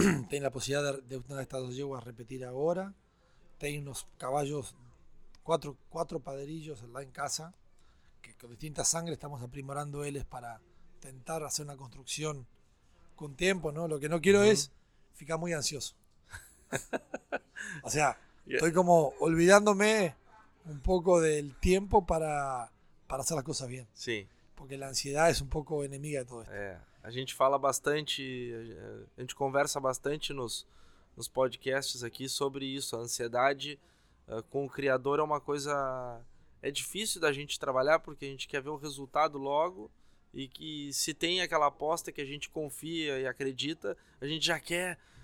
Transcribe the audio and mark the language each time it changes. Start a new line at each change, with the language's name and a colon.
Portuguese: Tem a possibilidade de uma dessas duas yeguas repetir agora. Tem uns cavalos, quatro padrillos lá em casa, que com distintas sangres estamos aprimorando eles para tentar fazer uma construção com tempo, não? O que não quero é ficar muito ansioso. Ou seja,
Spanish: estoy como olvidándome un poco del tiempo para hacer las cosas bien. Sí. Porque la ansiedad es un poco enemiga de todo esto.
Portuguese: A gente fala bastante, a gente conversa bastante nos podcasts aqui sobre isso. A ansiedade com o criador é uma coisa... É difícil da gente trabalhar porque a gente quer ver o resultado logo. E que se tem aquela aposta que a gente confia e acredita, a gente já quer.